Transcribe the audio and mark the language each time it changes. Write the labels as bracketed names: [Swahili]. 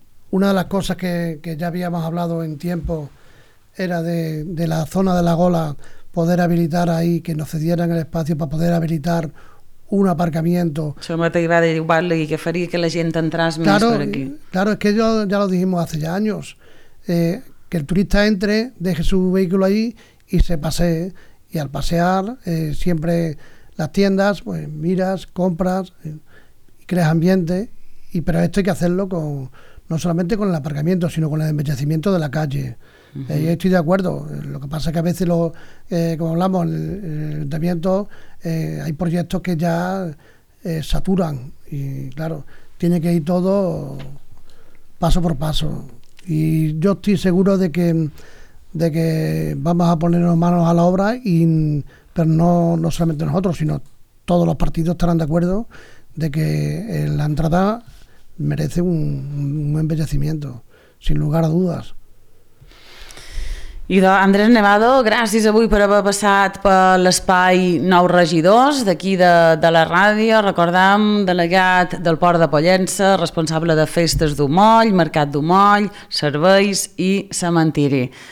[Spanish] Una de las cosas que ya habíamos hablado en tiempo era de la zona de la Gola, poder habilitar ahí, que nos cedieran el espacio para poder habilitar un aparcamiento. [Catalan] Això mateix va dir, vale, i què faria que la gent entrés més, [Spanish] claro, [Catalan] per aquí. [Spanish] Claro, es que yo ya lo dijimos hace ya años, que el turista entre, deje su vehículo ahí y se pasee, y al pasear siempre las tiendas, pues miras, compras, creas ambiente, pero esto hay que hacerlo con no solamente con el aparcamiento, sino con el embellecimiento de la calle. Yo estoy de acuerdo. Lo que pasa es que a veces, como hablamos, el ayuntamiento, hay proyectos que ya saturan. Y claro, tiene que ir todo paso por paso. Y yo estoy seguro de que vamos a ponernos manos a la obra, pero no solamente nosotros, sino todos los partidos estarán de acuerdo de que la entrada merece un embellecimiento, sin lugar a dudas. [Catalan] Idò, Andrés Nevado, gràcies avui per haver passat per l'espai Nou Regidors d'aquí de la ràdio. Recordem, delegat del Port de Pollença, responsable de festes d'Humoll, Mercat d'Humoll, serveis i cementiri.